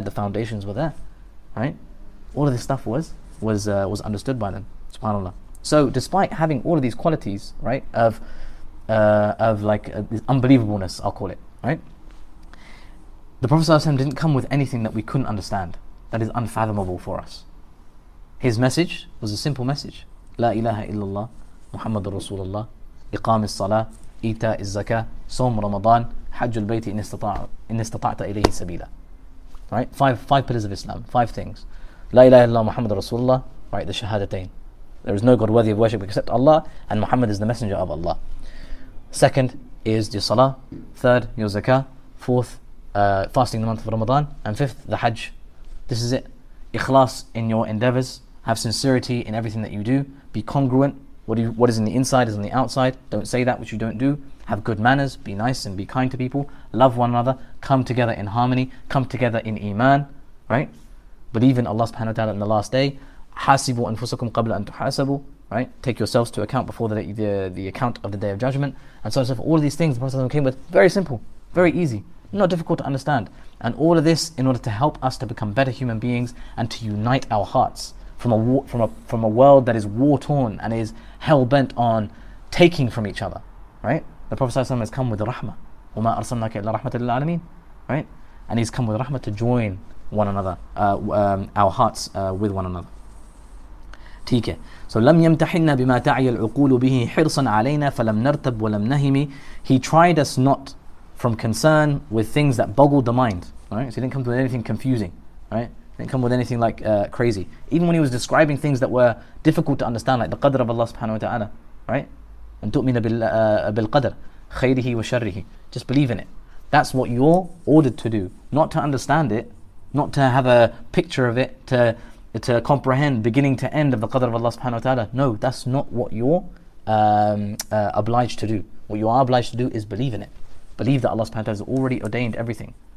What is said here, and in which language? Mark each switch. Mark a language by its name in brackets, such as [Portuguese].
[English] The foundations were there, right? All of this stuff was understood by them. Subhanallah. So despite having all of these qualities, right, of this unbelievableness, I'll call it, right? The Prophet ﷺ didn't come with anything that we couldn't understand, that is unfathomable for us. His message was a simple message. [Arabic] لا إله إلا الله محمد رسول الله إقام الصلاة إيتاء الزكاة صوم رمضان حج البيت إن استطعت إليه سبيلا. [English] Right? Five pillars of Islam, five things. [Arabic] لا إله إلا الله محمد رسول الله. [English] Right, the shahadatain. There is no God worthy of worship except Allah, and Muhammad is the messenger of Allah. Second is your salah. Third, your zakah. Fourth, fasting the month of Ramadan. And fifth, the hajj. This is it. Ikhlas in your endeavors. Have sincerity in everything that you do. Be congruent. What is in the inside is on the outside. Don't say that which you don't do. Have good manners. Be nice and be kind to people. Love one another. Come together in harmony. Come together in iman. Right? Believe in Allah subhanahu wa ta'ala in the last day. [Arabic] حَاسِبُوا أَنفُسَكُمْ قَبْلَ أَن تُحَاسَبُوا. [English] Right? Take yourselves to account before the account of the Day of Judgment. And so on and so forth. All of these things the Prophet came with. Very simple. Very easy. Not difficult to understand. And all of this in order to help us to become better human beings and to unite our hearts from a world that is war-torn and is hell-bent on taking from each other. Right? The Prophet has come with rahmah. [Arabic] وَمَا أَرْسَلْنَاكَ إِلَّا رَحْمَةً لِلْعَالَمِينَ. [English] Right? And he's come with rahmah to join one another, our hearts with one another. تيكي. [Arabic] So لم يمتحنا بما تعي العقول به حرصا علينا فلم نرتب ولم نهمي. [English] He tried us not from concern with things that boggled the mind. Right? So he didn't come with anything confusing. Right? He didn't come with anything like crazy. Even when he was describing things that were difficult to understand, like the qadr of Allah subhanahu wa ta'ala. Right? [Arabic] أن تؤمن بالقدر خيره وشره. [English] Just believe in it. That's what you're ordered to do. Not to understand it, not to have a picture of it, to comprehend beginning to end of the qadr of Allah subhanahu wa ta'ala. No, that's not what you're obliged to do. What you are obliged to do is believe in it. Believe that Allah subhanahu wa ta'ala has already ordained everything.